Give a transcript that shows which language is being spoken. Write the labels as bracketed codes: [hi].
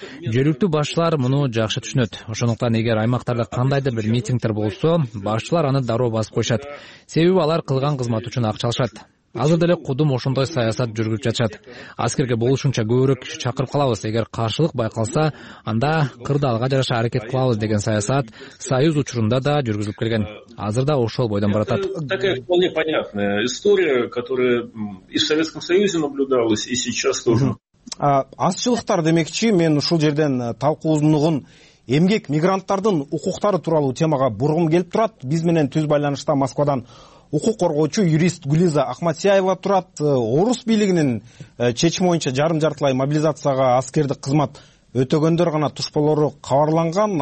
[ky] Жергиликтүү башчылар муну жакшы түшүнөт. Ошондуктан эгер аймактарда кандайдыр бир митингдер болсо, башчылар аны дароо басып коюшат. Себеби алар кылган кызмат үчүн акча алышат. Азыр деле кудум ошондой саясат жүргүзүп жатышат. Аскерге болушунча көбүрөөк киши чакырып калабыз. Эгер каршылык байкалса, анда кырдаалга жараша аракет кылабыз деген саясат союз учурунда да жүргүзүлүп келген. Азыр да ошол бойдон баратат. [ru] Такая вполне понятная история, которая и в Советском Союзе наблюдалась, и сейчас тоже. [ky] Азчылыктар демекчи, мен ушул жерден талкуунугун эмгек мигранттардын укуктары тууралуу темага бургум келип турат. Биз менен түз байланышта Москвадан укук коргоочу юрист Гулиза Ахматсияева турат. Орус бийлигинин чечими боюнча жарым жартылай мобилизацияга аскердик кызмат өтөгөндөр гана туш болору кабарланган.